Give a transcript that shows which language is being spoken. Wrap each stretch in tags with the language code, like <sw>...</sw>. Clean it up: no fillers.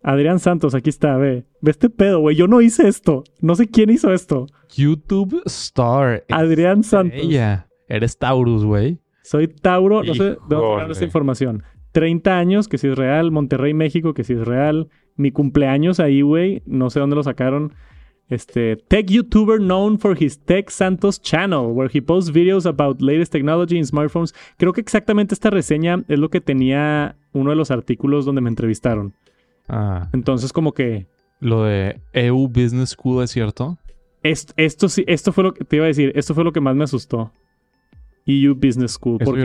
<es>Adrián Santos, aquí está, ve. Ve este pedo, güey, yo no hice esto. No sé quién hizo esto.</es> <en>YouTube Star.</en> <es>Adrián Santos. Ella. Eres Taurus, güey. Soy Tauro, no sé de dónde sacaron esta información. 30 años, que sí es real. Monterrey, México, que sí es real. Mi cumpleaños ahí, güey, no sé dónde lo sacaron.</es> <en>Tech YouTuber known for his Tech Santos channel, where he posts videos about latest technology in smartphones.</en> <es>Creo que exactamente esta reseña es lo que tenía uno de los artículos donde me entrevistaron. Ah. Entonces, como que... ¿Lo de EU Business School es cierto? Esto fue lo que te iba a decir. Esto fue lo que más me asustó. EU Business School. Eso porque</es>